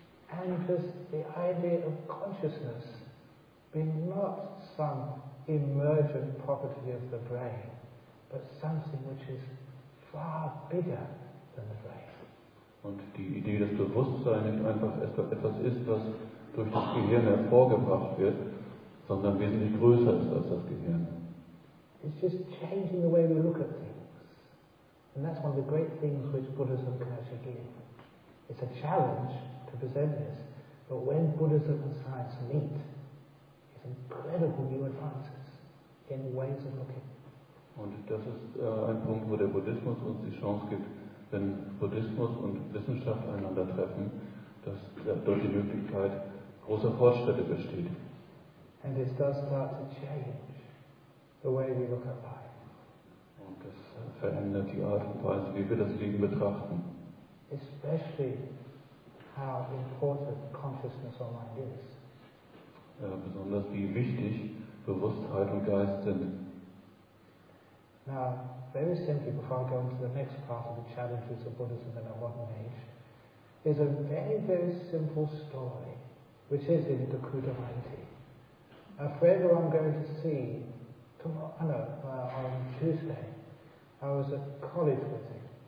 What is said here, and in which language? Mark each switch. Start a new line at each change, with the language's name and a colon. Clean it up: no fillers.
English: And just the idea of consciousness being not some emergent property of the brain, but something which is far bigger than the brain.
German: Und die Idee, dass Bewusstsein nicht einfach etwas ist, was durch das Gehirn hervorgebracht wird, sondern wesentlich größer ist als das Gehirn.
English: It's just changing the way we look at things. And that's one of the great things which Buddhism can actually give. It's a challenge to present this, but when Buddhism and science meet, it's incredible new advances in ways of looking.
German: Und das ist ein Punkt, wo der Buddhismus uns die Chance gibt, wenn Buddhismus und Wissenschaft einander treffen, dass durch die Möglichkeit großer Fortschritte besteht.
English: And it does start to change the way we look at life.
German: Und das verändert die Art und Weise, wie wir das Leben betrachten.
English: Especially how important consciousness or mind is.
German: Besonders wie wichtig Bewusstheit und Geist sind.
English: Now, very simply, before I go into the next part of the challenges of Buddhism in a modern age, is a very, very simple story, which is in the Kuda Mighty. A friend who I'm going to see on Tuesday, I was at college with him.